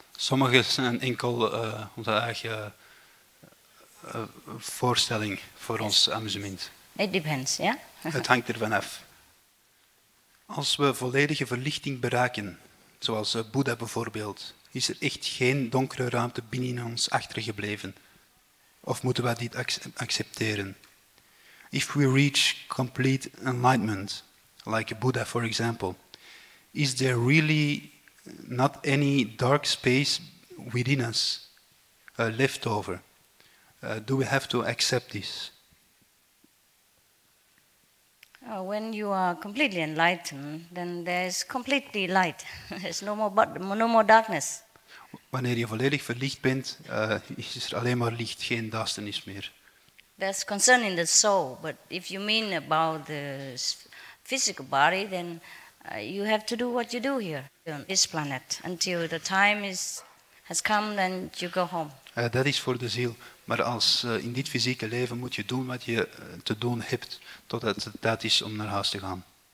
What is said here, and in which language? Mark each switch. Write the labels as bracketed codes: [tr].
[nl] Sommige zijn enkel onze eigen voorstelling voor ons amusement. [en] It depends, yeah? [nl] Het hangt ervan af. Als we volledige verlichting bereiken, zoals Boeddha bijvoorbeeld, is er echt geen donkere ruimte binnen ons achtergebleven? Of moeten we dit accepteren? [en] If we reach complete enlightenment, like Buddha, for example, is there really not any dark space within us left over? Do we have to accept this? When you are completely enlightened, then there's completely light. There's no more darkness. [nl] Wanneer je volledig verlicht bent, is er alleen maar licht, geen duisternis meer. That's concerning the soul, but if you mean about the physical body, then you have to do what you do here on this planet until the time has come, then you go home. Dat is voor de ziel, maar als in dit fysieke leven moet je doen wat je te doen hebt totdat het tijd is om naar huis te gaan.